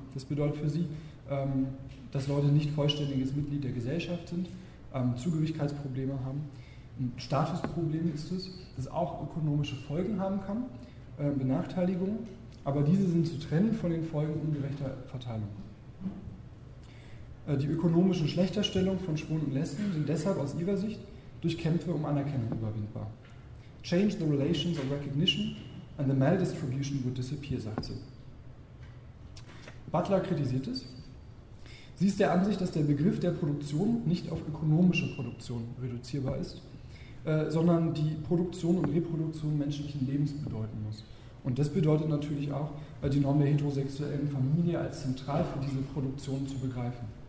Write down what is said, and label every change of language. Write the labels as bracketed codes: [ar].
[de] Das bedeutet für sie, dass Leute nicht vollständiges Mitglied der Gesellschaft sind, Zugehörigkeitsprobleme haben. Ein Statusproblem ist es, das auch ökonomische Folgen haben kann Benachteiligungen, aber diese sind zu trennen von den Folgen ungerechter Verteilung. Die ökonomischen Schlechterstellungen von Schwulen und Lesben sind deshalb aus ihrer Sicht durch Kämpfe um Anerkennung überwindbar. [en] Change the relations of recognition and the maldistribution would disappear, [de] sagt sie. Butler kritisiert es. Sie ist der Ansicht, dass der Begriff der Produktion nicht auf ökonomische Produktion reduzierbar ist, sondern die Produktion und Reproduktion menschlichen Lebens bedeuten muss. Und das bedeutet natürlich auch, die Norm der heterosexuellen Familie als zentral für diese Produktion zu begreifen.